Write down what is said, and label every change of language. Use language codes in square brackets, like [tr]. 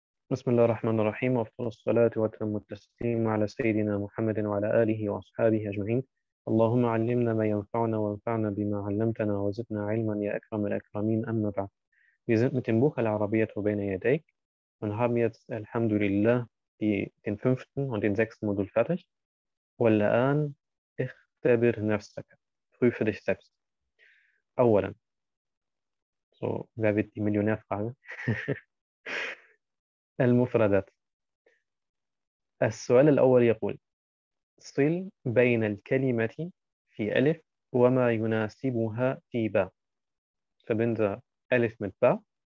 [ar] بسم الله الرحمن الرحيم، وأفضل الصلاة وأتم التسليم على سيدنا محمد وعلى آله وأصحابه أجمعين. اللهم علمنا ما ينفعنا وانفعنا بما علمتنا وزدنا علما يا أكرم الأكرمين. أما بعد، تنبوخ العربية بين يديك. [de] Und haben jetzt alhamdulillah den fünften und den sechsten Modul fertig. [ar] والآن اختبر نفسك. [de] Prüfe dich selbst. [ar] أولا. [de] So, wer wird die Millionärfrage? [ar] المفردات. السؤال الأول يقول: صل بين الكلمة في ألف وما يناسبها في باء. [de] Verbinde ألف mit باء.